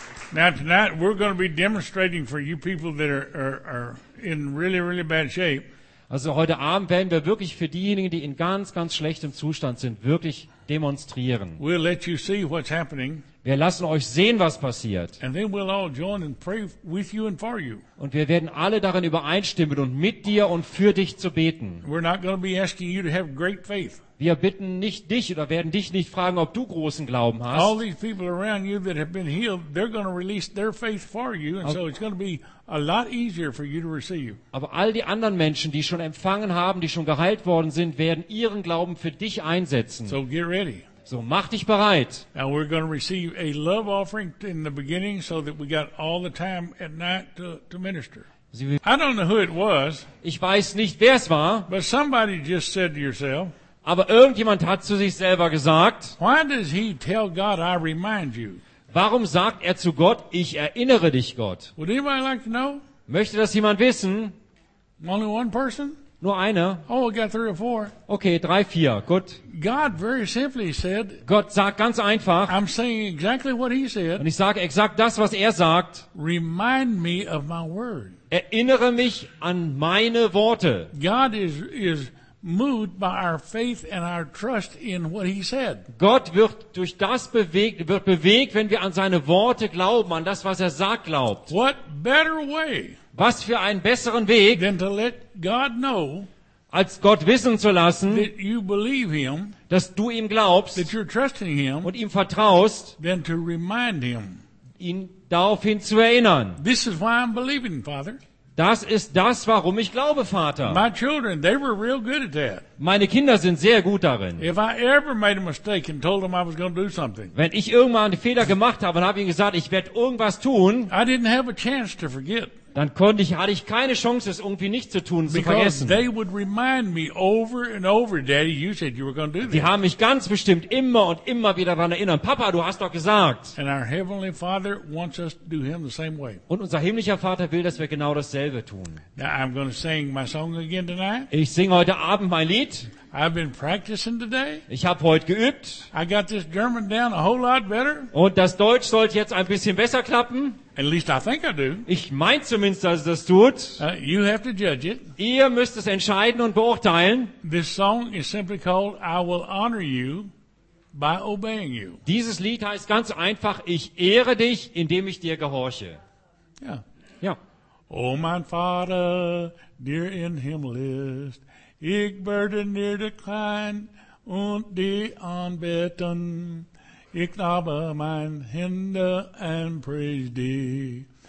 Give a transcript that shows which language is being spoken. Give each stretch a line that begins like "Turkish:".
English: Now tonight we're going to be demonstrating for you people that are in really, really bad shape.
German: Also heute Abend werden wir wirklich für diejenigen, die in ganz, ganz schlechtem Zustand sind, wirklich demonstrieren.
English: We'll let you see what's happening.
German: Wir lassen euch sehen, was passiert.
English: And then we'll all join and pray with you and for you.
German: Und wir werden alle darin übereinstimmen und mit dir und für dich zu beten.
English: We're not going to be asking you to have great faith.
German: Wir bitten nicht dich oder werden dich nicht fragen, ob du großen Glauben hast.
English: All these people around you that have been healed, they're going to release their faith for you, and so it's going to be a lot easier for you to receive.
German: Aber all die anderen Menschen, die schon empfangen haben, die schon geheilt worden sind, werden ihren Glauben für dich einsetzen.
English: So get ready.
German: So mach dich bereit.
English: Now we're going to receive a love offering in the beginning, so that we got all the time at night to minister. I don't know who it was.
German: Ich weiß nicht, wer es war.
English: But somebody just said to yourself.
German: Aber irgendjemand hat zu sich selber gesagt,
English: why does he tell God, I remind you?
German: Warum sagt er zu Gott, ich erinnere dich, Gott?
English: Would anybody like to know?
German: Möchte das jemand wissen?
English: Only one person?
German: Nur einer?
English: Oh, we got 3 or 4.
German: Okay, 3, 4, gut.
English: God very simply said,
German: Gott sagt ganz einfach,
English: I'm saying exactly what he said,
German: und ich sage exakt das, was er sagt,
English: remind me of my word.
German: Erinnere mich an meine Worte.
English: God is moved by our faith and our trust in what he said.
German: Gott wird durch das bewegt, wird bewegt, wenn wir an seine Worte glauben, an das, was er sagt, glaubt.
English: What better way?
German: Was für einen besseren Weg?
English: Than to let God know,
German: als Gott wissen zu lassen,
English: that you believe him,
German: dass du ihm glaubst,
English: that you're trusting him,
German: und ihm vertraust,
English: than to remind him,
German: ihn daraufhin zu erinnern.
English: This is why I'm believing, Father.
German: Das ist das, warum ich glaube, Vater.
English: My children, they were real good at that.
German: Meine Kinder sind sehr gut darin.
English: If I ever made a mistake and told them I was going to do something.
German: Wenn ich irgendwann einen Fehler gemacht habe und habe ihnen gesagt, ich werde irgendwas tun.
English: I didn't have a chance to forget.
German: Dann konnte ich, hatte ich keine Chance, es irgendwie nicht zu tun,
English: because
German: zu vergessen.
English: They would remind me over and over, Daddy, you said you were going to do this.
German: Die haben mich ganz bestimmt immer und immer wieder daran erinnert. Papa, du hast doch gesagt.
English: And our Heavenly Father wants us to do Him the same way.
German: Und unser himmlischer Vater will, dass wir genau dasselbe tun.
English: Now I'm going to sing my song again tonight.
German: Ich singe heute Abend mein Lied.
English: I've been practicing today.
German: Ich habe heute geübt.
English: I got this German down a whole lot better.
German: Und das Deutsch sollte jetzt ein bisschen besser klappen.
English: At least I think I do.
German: Ich meine zumindest, dass es das tut.
English: You have to judge it.
German: Ihr müsst es entscheiden und beurteilen.
English: This song is simply called I Will Honor You by Obeying You.
German: Dieses Lied heißt ganz einfach, ich ehre dich, indem ich dir gehorche. Ja. Ja. Oh, mein Vater, dir in Himmel ist, ich werde dir klein und die anbeten. Ich habe mein Hände und
English: praise
German: die.